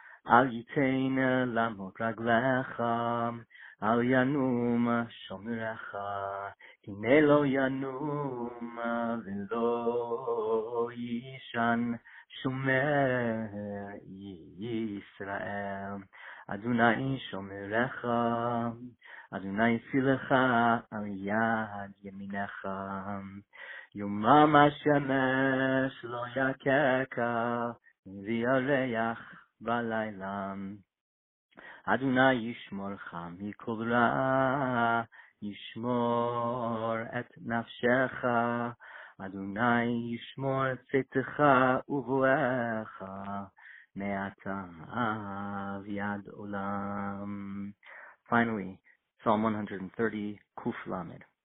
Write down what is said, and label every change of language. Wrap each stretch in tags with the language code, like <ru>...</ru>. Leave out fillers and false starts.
<he>al yitein lamot raglecha, al yanum shomrecha, הנה לא ינום ולא יישן שומר ישראל. אדוני שומרך, אדוני צילך על יד ימינך. יומם השמש לא יקקה וירח בלילה. אדוני ישמורך מכל רע, ישמור את נפשך, אדוני ישמור צאתך ובואך, מעתה עד יד עולם.</he> <en>Finally, Psalm 130,</en> <he>קוף למד.</he>